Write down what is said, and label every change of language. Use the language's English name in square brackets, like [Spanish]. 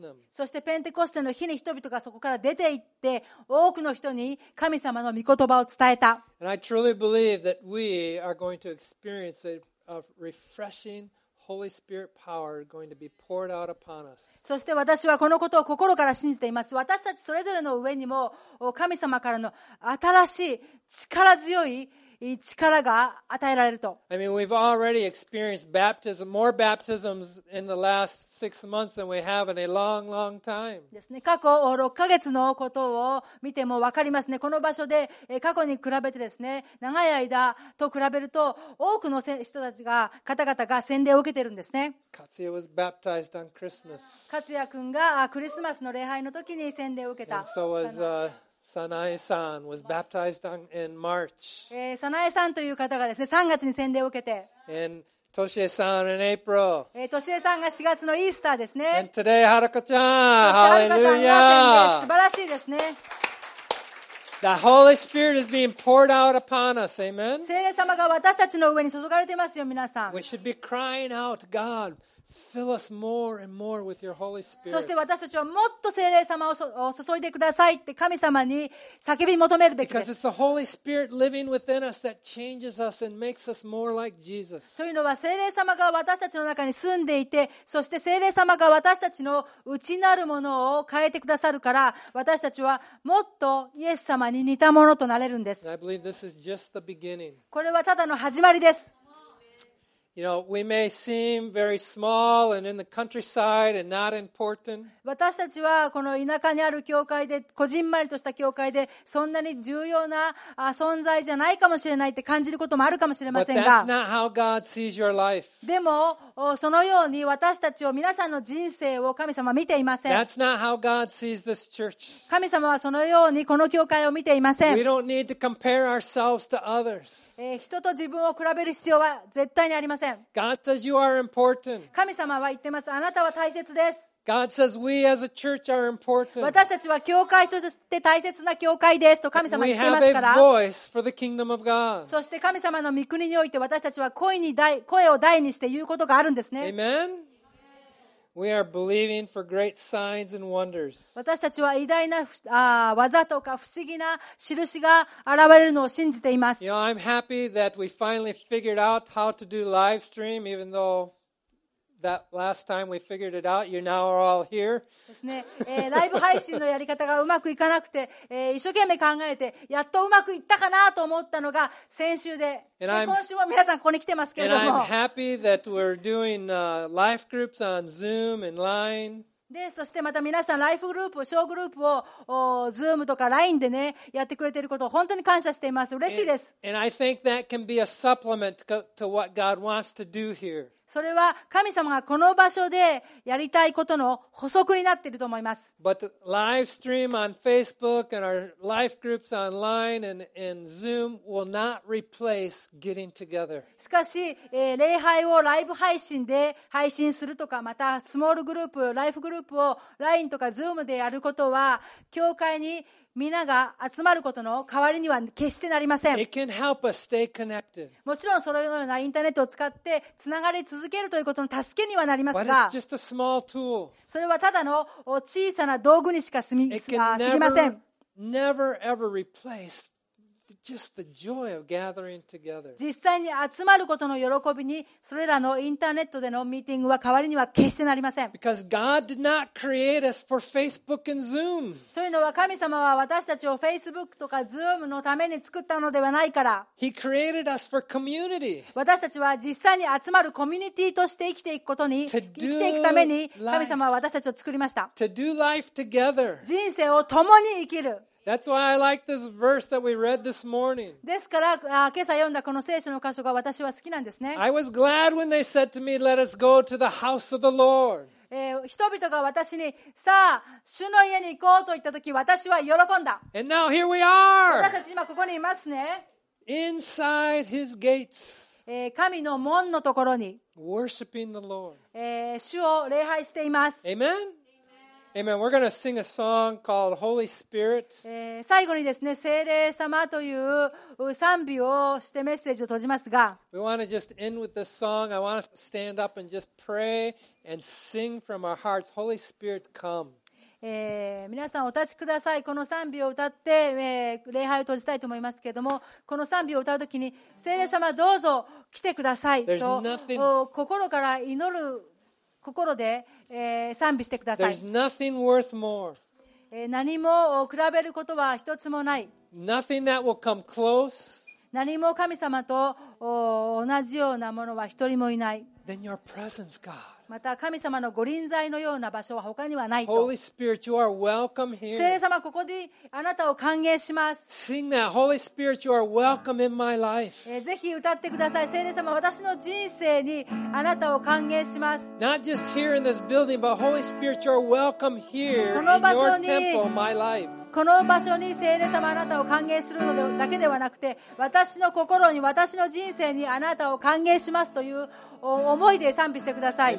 [Japanese] そしてペンテコステの日に人々がそこから出て行って多くの人に神様の御言葉を伝えた。 [English] And I truly believe that we are going to experience a refreshing Holy Spirit power going to be poured out upon us. [Japanese] そして私はこのことを心から信じています。私たちそれぞれの上にも神様からの新しい力強い力が与えられると。 [English] I mean, we've already experienced baptism, more baptisms in the last six months than we have in a long, long time. [Japanese] ですね。過去6ヶ月のことを見ても分かりますね。この場所で過去に比べてですね、長い間と比べると多くの人たちが、方々が洗礼を受けているんですね。 [English] Katsuya was baptized on Christmas. [Japanese] 勝也くんがクリスマスの礼拝の時に洗礼を受けた。 [English] And so was, Sanae-san was baptized in March. [Japanese] Sanae-san という方がですね、3月に洗礼を受けて。 [English] And Toshie-san in April. [Japanese] Toshie-san が4月のイースターですね。 [English] And today, Haruka-chan. Hallelujah. [Japanese] 素晴らしいですね。 [English] The Holy Spirit is being poured out upon us. Amen. [Japanese] 聖霊様が私たちの上に注がれていますよ、皆さん。 [English] We should be crying out, God. Fill us more and more with your Holy Spirit. [Japanese] そして私たちはもっと聖霊様を注いでくださいって神様に叫び求めるべきです。 [English] Because it's the Holy Spirit living within us that changes us and makes us more like Jesus. [Japanese] というのは聖霊様が私たちの中に住んでいて、そして聖霊様が私たちの内なるものを変えてくださるから、私たちはもっとイエス様に似たものとなれるんです。 [English] And I believe this is just the beginning. [Japanese] これはただの始まりです。 [English] You know, we may seem very small and in the countryside and not important. [Japanese] 私たちはこの田舎にある教会で、こじんまりとした教会で、そんなに重要な存在じゃないかもしれないって感じることもあるかもしれませんが。 [English] But that's not how God sees your life. [Japanese] でも、そのように私たちを、皆さんの人生を神様は見ていません。 [English] That's not how God sees this church. [Japanese] 神様はそのようにこの教会を見ていません。 [English] We don't need to compare ourselves to others. [Japanese] 人と自分を比べる必要は絶対にありません。 [English] God says you are important. [Japanese] 神様は言ってます。あなたは大切です。 [English] God says we as a church are important. [Japanese] 私たちは教会として大切な教会ですと神様は言ってますから。 [English] We have a voice for the kingdom of God. [Japanese] そして神様の御国において私たちは声を大にして言うことがあるんですね。 [English] Amen. We are believing for great signs and wonders. [Japanese] 私たちは偉大な技とか不思議な印が現れるのを信じています。 [English] You know, I'm happy that we finally figured out how to do live stream, even though that last time we figured it out, you now are all here. [Japanese] ですね。ライブ配信のやり方がうまくいかなくて、一生懸命考えて、やっとうまくいったかなと思ったのが先週で。今週も皆さんここに来てますけれども。 [English] And I'm happy that we're doing, life groups on Zoom and LINE. [Japanese] で、そしてまた皆さんライフグループ、小グループを Zoom とか LINE でね、やってくれていることを本当に感謝しています。嬉しいです。 [English] And I think that can be a supplement to what God wants to do here. [Japanese] それは神様がこの場所でやりたいことの補足になっていると思います。 [English] But live stream on Facebook and our life groups online and Zoom will not replace getting together. [Japanese] しかし、礼拝をライブ配信で配信するとか、またスモールグループ、ライフグループを LINE とか Zoom でやることは、教会に皆が集まることの代わりには決してなりません。 [English] It can help us stay connected. [Japanese] もちろんそのようなインターネットを使ってつながり続けるということの助けにはなりますが、 [English] But it's just a small tool. [Japanese] それはただの小さな道具にしか過ぎません。 [English] Never, ever replace just the joy of gathering together. [Japanese] 実際に集まることの喜びに、それらのインターネットでのミーティングは代わりには決してなりません。 [English] Because God did not create us for Facebook and Zoom. [Japanese] というのは、神様は私たちを Facebook とか Zoom のために作ったのではないから。 [English] He created us for community. [Japanese] 私たちは実際に集まるコミュニティとして生きていくことに、生きていくために、神様は私たちを作りました。 [English] To do life together. [Japanese] 人生を共に生きる。 [English] That's why I like this verse that we read this morning. [Japanese] ですから、今朝読んだこの聖書の箇所が私は好きなんですね。 [English] I was glad when they said to me, "Let us go to the house of the Lord." [Japanese] 人々が私に、さあ、主の家に行こうと言った時、私は喜んだ。 [English] And now here we are. [Japanese] 私たち今ここにいますね。 [English] Inside His gates. [Japanese] 神の門のところに。 [English] Worshiping the Lord. [Japanese] 主を礼拝しています。 [English] Amen. Amen. We're going to sing a song called Holy Spirit. [Japanese] 最後にですね、聖霊様という賛美をしてメッセージを閉じますが、 [English] We want to just end with this song. I want to stand up and just pray and sing from our hearts. Holy Spirit, come. [Japanese] 皆さんお立ちください。この賛美を歌って、礼拝を閉じたいと思いますけれども、この賛美を歌うときに、聖霊様どうぞ来てくださいと、心から祈る心で賛美してください。 [English] There's nothing worth more. [Japanese] 何も比べることは一つもない。 [English] Nothing that will come close. [Japanese] 何も神様と同じようなものは一人もいない。 [English] Then your presence, God. [Japanese] また神様のご臨在のような場所は他にはないと。 [English] Holy Spirit, you are welcome here. [Japanese] 聖霊様ここであなたを歓迎します。 [English] Sing that, Holy Spirit, you are welcome in my life. [Japanese] ぜひ歌ってください。聖霊様私の人生にあなたを歓迎します。 [English] Not just here in this building, but Holy Spirit, you are welcome here in your temple, my life. [Japanese] この場所に聖霊様あなたを歓迎するのだけではなくて、私の心に私の人生にあなたを歓迎しますという思いで賛美してください。